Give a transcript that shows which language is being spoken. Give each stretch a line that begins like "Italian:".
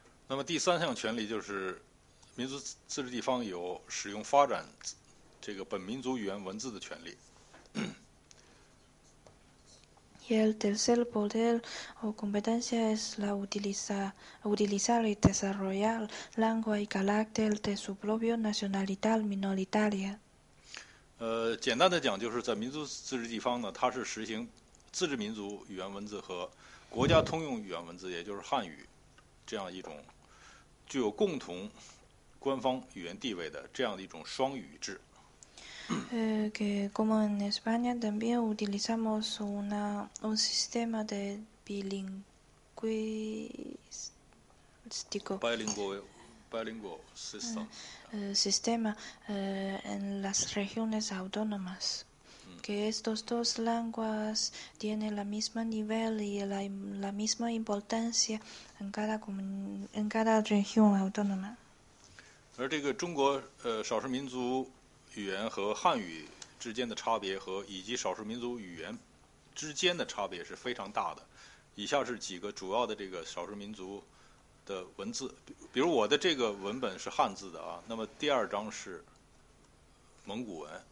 Chinese: 那么第三项权利就是民族自治地方有使用发展这个本民族语言文字的权利。
Spanish: Y el tercer poder o competencia es la utilizar y desarrollar lengua y carácter de su propia nacionalidad minoritaria.
Chinese: 简单的讲就是在民族自治地方呢，它是实行自治民族语言文字和国家通用语言文字，也就是汉语这样一种具有共同官方语言地位的这样的一种双语制。
Spanish: Que como en España también utilizamos un sistema de bilingüístico.
English: Bilingual system.
Spanish: Sistema en las regiones autónomas. Que estos dos lenguas tienen la misma nivel y la misma importancia en cada región autónoma.
Chinese: 而这个中国少数民族语言和汉语之间的差别和以及少数民族语言之间的差别是非常大的。以下是几个主要的这个少数民族的文字，比如我的这个文本是汉字的啊，那么第二章是蒙古文。